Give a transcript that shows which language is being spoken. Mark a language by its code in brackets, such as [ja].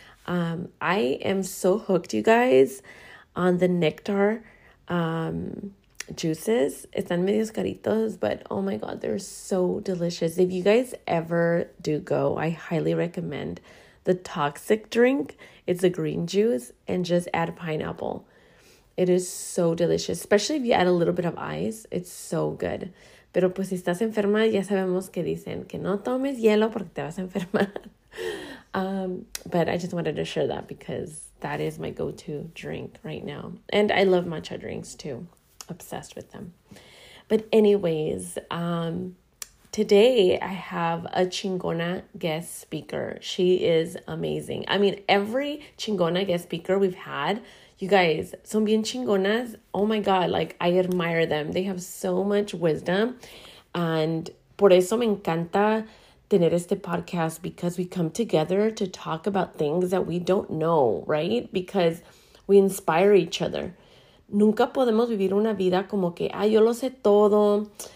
[en] I am so hooked, you guys, on the nectar juices. [es] Están medios caritos, [en] but oh my god, they're so delicious. If you guys ever do go, I highly recommend the toxic drink. It's a green juice and just add pineapple. It is so delicious, especially if you add a little bit of ice. It's so good. [es] Pero pues si estás enferma, ya sabemos que dicen que no tomes hielo porque te vas a enfermar. [en] But I just wanted to share that because that is my go-to drink right now. And I love matcha drinks too. Obsessed with them. But anyways, today I have a chingona guest speaker. She is amazing. I mean, every chingona guest speaker we've had, you guys, [es] son bien chingonas. [en] Oh my God, like I admire them. They have so much wisdom. And [es] por eso me encanta tener este podcast, [en] because we come together to talk about things that we don't know, right? Because we inspire each other. [es] Nunca podemos vivir una vida como que, ah, yo lo sé todo.